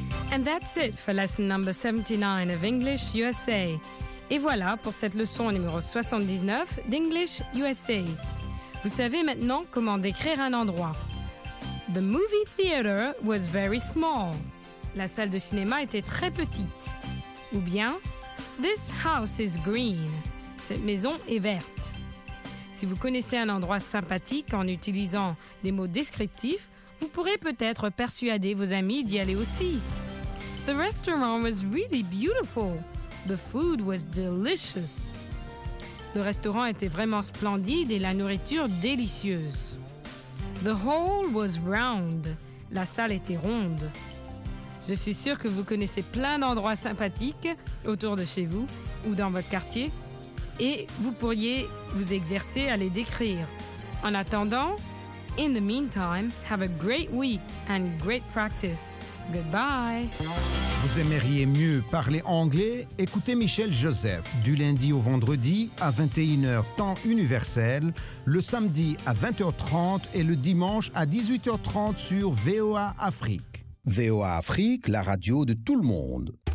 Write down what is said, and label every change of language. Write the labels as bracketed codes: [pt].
[en] And that's it for lesson number 79 of English USA. [fr] Et voilà pour cette leçon numéro 79 d'English USA. Vous savez maintenant comment décrire un endroit. [en] The movie theater was very small. [fr] La salle de cinéma était très petite. Ou bien, [en] This house is green. [fr] Cette maison est verte. Si vous connaissez un endroit sympathique en utilisant des mots descriptifs, vous pourrez peut-être persuader vos amis d'y aller aussi. [en] The restaurant was really beautiful. The food was delicious. [fr] Le restaurant était vraiment splendide et la nourriture délicieuse. [en] The hall was round. [fr] La salle était ronde. Je suis sûre que vous connaissez plein d'endroits sympathiques autour de chez vous ou dans votre quartier et vous pourriez vous exercer à les décrire. En attendant, [en] in the meantime, have a great week and great practice. Goodbye! [fr] Vous aimeriez mieux parler anglais? Écoutez Michel Joseph du lundi au vendredi à 21h temps universel, le samedi à 20h30 et le dimanche à 18h30 sur VOA Afrique. VOA Afrique, la radio de tout le monde.